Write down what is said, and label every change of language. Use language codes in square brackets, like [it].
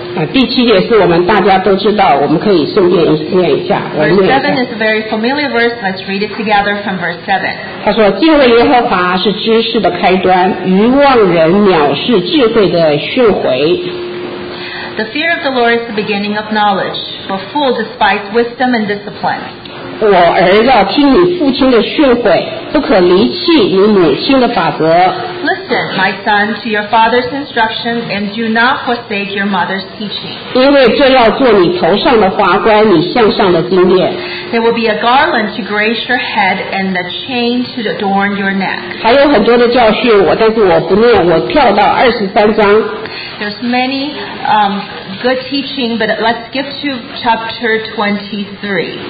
[zh] 第七节是我们大家都知道，我们可以顺便念一下。 [en] 7 is a very familiar verse. Let's read it together from verse 7. [zh] 他说：“敬畏耶和华是知识的开端，愚妄人藐视智慧的训诲。” [en] The fear of the Lord is the beginning of knowledge, but fools despise wisdom and discipline. [zh] 我儿要听你父亲的训诲，不可离弃你母亲的法则。 [en] Listen, my son, to your father's instruction, and do not forsake your mother's teaching. [zh] 因为这要做你头上的华冠，你项上的金链。 [en] There will be a garland to grace your head and a chain to adorn your neck. [zh] 还有很多的教训我，但是我不念，我跳到23章。 [en] There's many good teaching, but let's skip to chapter 23.